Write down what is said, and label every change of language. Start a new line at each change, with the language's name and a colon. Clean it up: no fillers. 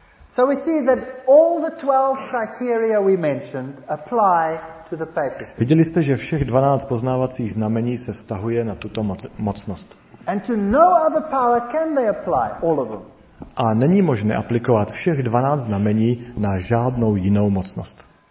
English: So we see that all the 12 criteria we mentioned apply to the papacy.
Czech: Viděli jste, že všech 12 poznávacích znamení se vztahuje na tuto mocnost.
English: And to no other power can they apply all of them.
Czech: A není možné aplikovat všech 12 znamení na žádnou jinou mocnost.